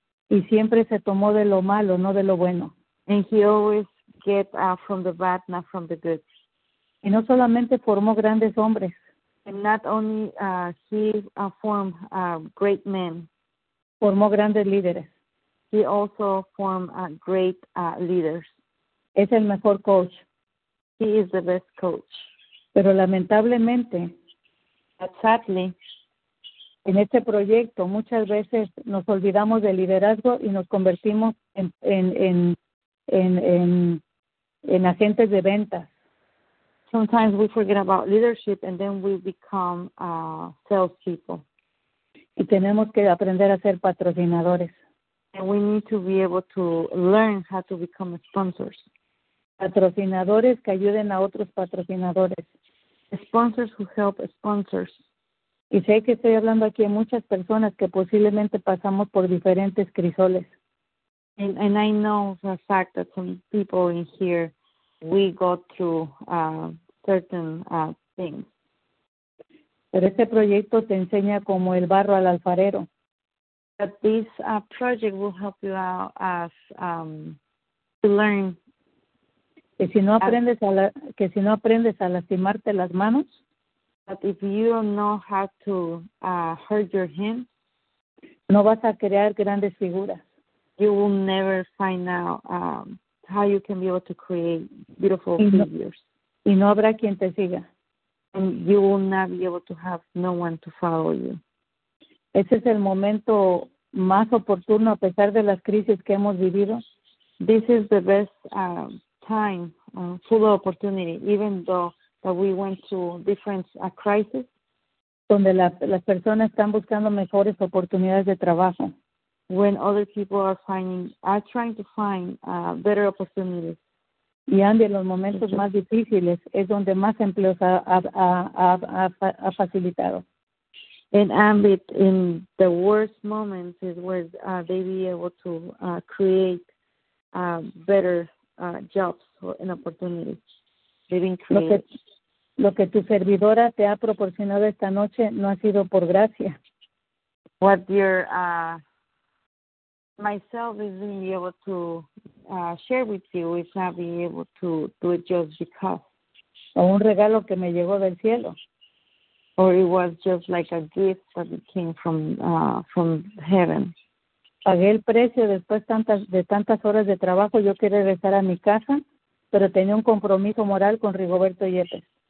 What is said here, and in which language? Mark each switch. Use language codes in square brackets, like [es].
[es] Y siempre se tomó de lo malo, no de lo bueno. [en] And he always get from the bad, not from the good. [es] Y no solamente formó grandes hombres. [en] And not only he formed great men. [es] Formó grandes líderes. [en] He also formed great leaders. [es] Es el mejor coach. [en] He is the best coach. [es] Pero lamentablemente. [en] But sadly. [es] En este proyecto muchas veces nos olvidamos del liderazgo y nos convertimos en agentes de ventas. [en] Sometimes we forget about leadership and then we become salespeople. [es] Y tenemos que aprender a ser patrocinadores. [en] And we need to be able to learn how to become sponsors. [es] Patrocinadores que ayuden a otros patrocinadores. [en] Sponsors who help sponsors. [es] Y sé que estoy hablando aquí a muchas personas que posiblemente pasamos por diferentes crisoles. [en] And I know for a fact that some people in here, we go through certain things. [es] Pero este proyecto te enseña como el barro al alfarero. [en] But this project will help you out as to learn. [es] Que si no aprendes a lastimarte las manos. [en] But if you don't know how to hurt your hands, [es] no vas a crear grandes figuras. [en] You will never find out how you can be able to create beautiful figures. [es] Y no habrá quien te siga. [en] And you will not be able to have no one to follow you. [es] Ese es el momento más oportuno a pesar de las crisis que hemos vivido. [en] This is the best time, full of opportunity, even though that we went through different crises. [es] Donde las personas están buscando mejores oportunidades de trabajo. [en] When other people are trying to find better opportunities. [es] Y Andy, en los momentos más difíciles es donde más empleos ha facilitado. [en] And Andy, in the worst moments is where they be able to create better jobs and opportunities. They've been created. [es] Lo que tu servidora te ha proporcionado esta noche no ha sido por gracia. [en] What your myself is being able to share with you is not being able to do it just because. [es] O un regalo que me llegó del cielo. [en] Or it was just like a gift that came from heaven. [es] Pagué el precio después de tantas horas de trabajo. Yo quería regresar a mi casa, pero tenía un compromiso moral con Rigoberto Yepes.